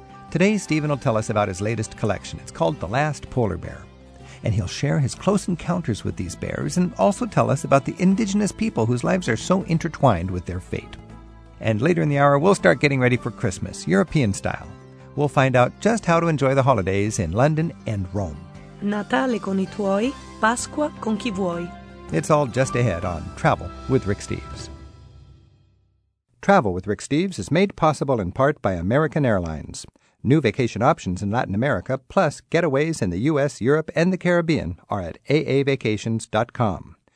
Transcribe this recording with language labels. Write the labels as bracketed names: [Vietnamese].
[English] Today, Stephen will tell us about his latest collection. It's called The Last Polar Bear. And he'll share his close encounters with these bears and also tell us about the indigenous people whose lives are so intertwined with their fate. And later in the hour, we'll start getting ready for Christmas, European style. We'll find out just how to enjoy the holidays in London and Rome. [Italian] Natale con I tuoi, Pasqua con chi vuoi. [English] It's all just ahead on Travel with Rick Steves. Travel with Rick Steves is made possible in part by American Airlines. New vacation options in Latin America, plus getaways in the U.S., Europe, and the Caribbean are at aavacations.com.